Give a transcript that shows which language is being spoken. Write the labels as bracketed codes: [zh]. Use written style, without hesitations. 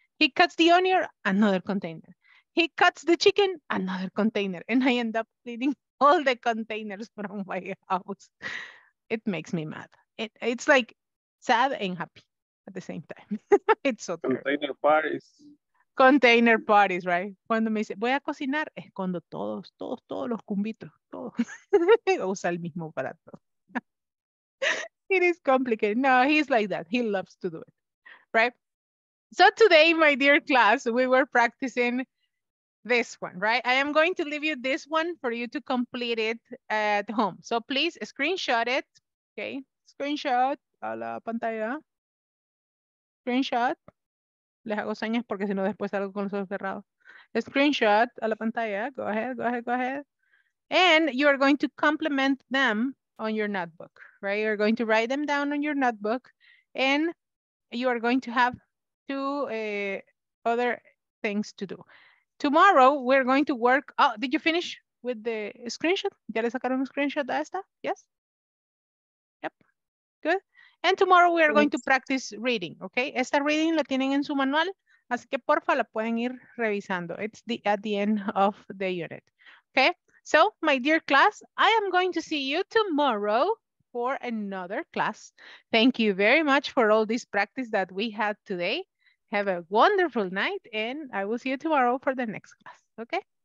[en] He cuts the onion, another container. He cuts the chicken, another container. And I end up cleaning all the containers from my house. It makes me mad. It's like sad and happy at the same time. It's so container parties. Container parties, right? [es] Cuando me dice, voy a cocinar, escondo todos los cumbitos, todos. Usa el mismo para todo. [en] It is complicated. No, he's like that. He loves to do it, right? So today, my dear class, we were practicing this one, right? I am going to leave you this one for you to complete it at home. So please screenshot it, okay? Screenshot [es] a la pantalla. [en] Screenshot. [es] Les hago señas porque si no después salgo con los ojos cerrados. [en] Screenshot [es] a la pantalla. [en] Go ahead, go ahead, go ahead. And you are going to complement them on your notebook, right? You're going to write them down on your notebook and you are going to have two other things to do. Tomorrow, we're going to work. Oh, did you finish with the screenshot? [es] ¿Ya le sacaron un screenshot a esta? [en] Yes? Yep. Good. And tomorrow, we are going to practice reading, okay? [es] Esta reading la tienen en su manual, así que porfa, la pueden ir revisando. [en] It's the at the end of the unit, okay? So, my dear class, I am going to see you tomorrow for another class. Thank you very much for all this practice that we had today. Have a wonderful night and I will see you tomorrow for the next class, okay?